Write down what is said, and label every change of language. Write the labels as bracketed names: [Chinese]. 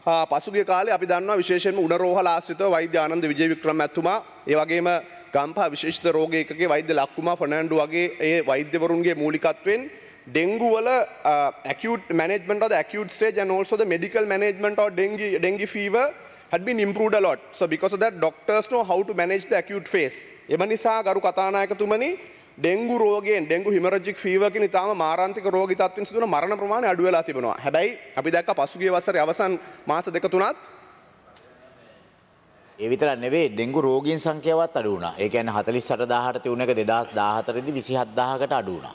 [Sinhala] පසුගිය කාලේ අපි දන්නවා විශේෂයෙන්ම උණ රෝහල ආශ්‍රිතව වෛද්‍ය ආනන්ද විජේවික්‍රම ඇතුමා, ඒ වගේම ගම්පහ විශේෂිත රෝග ඒකකයේ වෛද්‍ය ලක්කුමා ෆර්නැන්ඩෝ වගේ ඒ වෛද්‍යවරුන්ගේ මූලිකත්වයෙන් ඩෙංගු වල [English] Acute management of acute stage and also the medical management of dengue fever had been improved a lot. So because of that, doctors know how to manage the acute phase. [Sinhala] එම නිසා ගරු කථානායකතුමනි ඩෙංගු රෝගයෙන් ඩෙංගු හිමරජික් ෆීවර් කියන ඉතාම මාරාන්තික රෝගී තත්ත්වෙන් සිදුවන මරණ ප්‍රමාණය අඩු වෙලා තිබෙනවා. හැබැයි අපි දැක්ක පසුගිය වසරේ අවසන් මාස දෙක තුනත් ඒ විතරක් නෙවෙයි ඩෙංගු රෝගීන් සංඛ්‍යාවත් අඩු වුණා. ඒ කියන්නේ 48,000ට තියුණ එක 2014 දී 27,000කට අඩු වුණා.